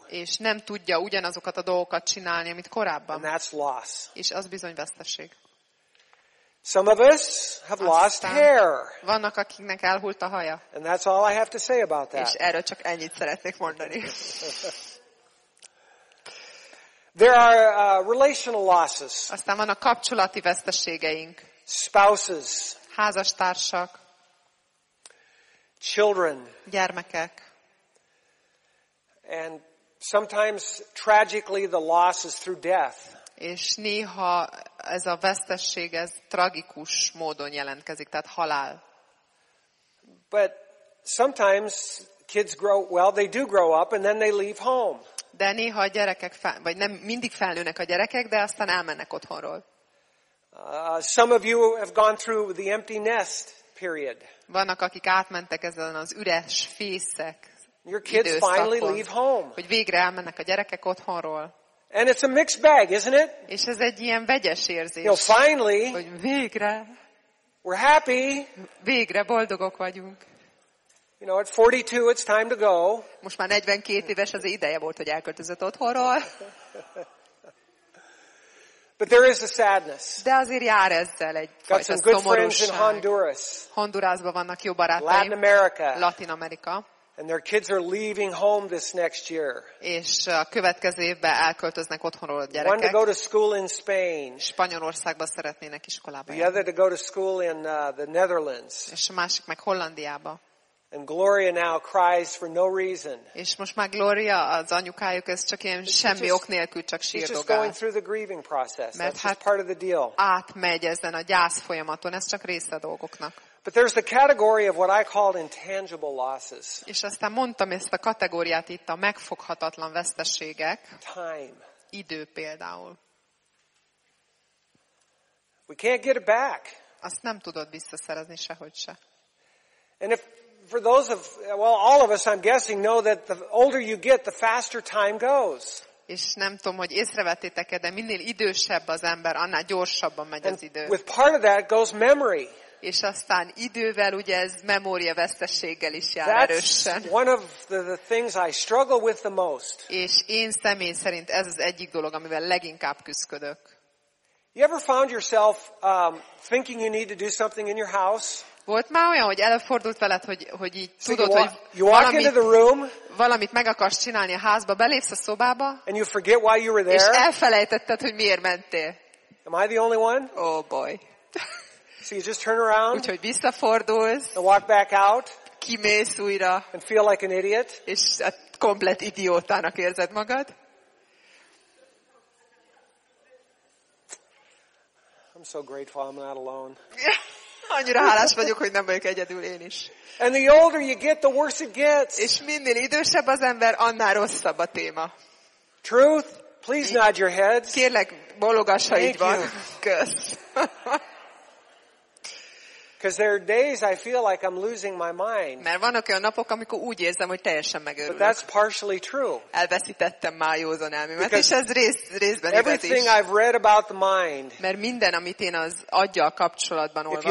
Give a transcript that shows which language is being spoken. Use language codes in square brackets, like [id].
[hu] És nem tudja ugyanazokat a dolgokat csinálni, amit korábban. [en] And that's loss. [hu] És az bizony veszteség. [en] Some of us have lost hair. [hu] Vannak, akiknek elhult a haja. [en] And that's all I have to say about that. [hu] És erről csak ennyit szeretnék mondani. [en] There are relational losses. [hu] Aztán vannak kapcsolati veszteségeink. [en] Spouses. [hu] Házastársak. [en] Children. [hu] Gyermekek. [en] And sometimes tragically the loss is through death. [hu] És néha ez a veszteség ez tragikus módon jelentkezik, tehát halál. [en] But sometimes kids grow well, they do grow up and then they leave home. [hu] De néha a gyerekek vagy nem mindig felnőnek a gyerekek, de aztán elmennek otthonról. [en] Some of you have gone through the empty nest period. [hu] Vannak, akik átmentek ezen az üres fészek. [en] Your kids finally leave home. [hu] Hogy végre elmennek a gyerekek otthonról. [en] And it's a mixed bag, isn't it? [hu] És ez egy ilyen vegyes érzés. [en] You know, finally, [hu] hogy végre. [en] We're happy. [hu] Végre boldogok vagyunk. [en] You know, at 42, it's time to go. [hu] Most már 42 éves, az ideje volt, hogy elköltözött otthonról. [en] But there is a sadness. [hu] De azért jár ezzel egy fajta szomorúság. [en] Got some good friends in Honduras. [hu] Hondurasban vannak jó barátaim. [en] Latin America. [hu] Latin Amerika. [en] And their kids are leaving home this next year. [hu] És a következő évben elköltöznek otthonról a gyerekek. [en] One to go to school in Spain. [hu] Spanyolországba szeretnének iskolába járni. [en] The other to go to school in the Netherlands. [hu] És a másik meg Hollandiába. [en] And Gloria now cries for no reason. [hu] És most már Gloria az anyukájuk ez csak ilyen semmi ok nélkül csak sírdogál. [en] She's just going through the grieving process. [hu] Mert [en] that's just part of the deal. [hu] Átmegy ezen a gyász folyamaton, ez csak része a dolgoknak. [en] But there's the category of what I call intangible losses. [hu] És aztán mondtam ezt a kategóriát itt a megfoghatatlan veszteségek. [en] Time. [hu] Idő például. [en] We can't get it back. [hu] Azt nem tudod visszaszerezni sehogy se. [en] And if for those of well all of us I'm guessing know that the older you get the faster time goes. [hu] És nem tudom, hogy észrevettétek-e, de minél idősebb az ember, annál gyorsabban megy [en] and [hu] az idő. [en] With part of that goes memory. [hu] És aztán idővel ugye ez memória veszteséggel is jár [en] that's [hu] erősen. [en] One of the things I struggle with the most. [hu] És én személy szerint ez az egyik dolog, amivel leginkább küzdök. [en] You ever found yourself thinking you need to do something in your house? [hu] Volt már olyan, hogy előfordult veled, hogy így [en] so [hu] tudod, [en] you walk, [hu] hogy valamit, [en] the room, [hu] valamit meg akarsz csinálni a házba, belépsz a szobába, [en] and you forget why you were there. [hu] És elfelejtetted, hogy miért mentél. [en] Am I the only one? Oh boy. So you just turn around. [hu] Úgyhogy visszafordulsz. [en] And walk back out. [hu] Kimész újra. [en] And feel like an idiot. [hu] És a komplett idiótának érzed magad. [en] I'm so grateful I'm not alone. [hu] Annyira hálás vagyok, hogy nem vagyok egyedül én is. [en] And the older you get, the worse it gets. [hu] És minél idősebb az ember, annál rosszabb a téma. [en] Truth, please nod your heads. [hu] Kérlek, bologass, ha így van. Kösz. [en] Because there are days I feel like I'm losing my mind. [hu] Mert vannak olyan napok, amikor úgy érzem, hogy teljesen megőrülök. [en] But that's partially true. [hu] Elveszítettem már józanelmémet, és ez részben igaz is. [en] Everything I've read about the mind. [hu] Mert minden, amit én az aggyal kapcsolatban olvastam.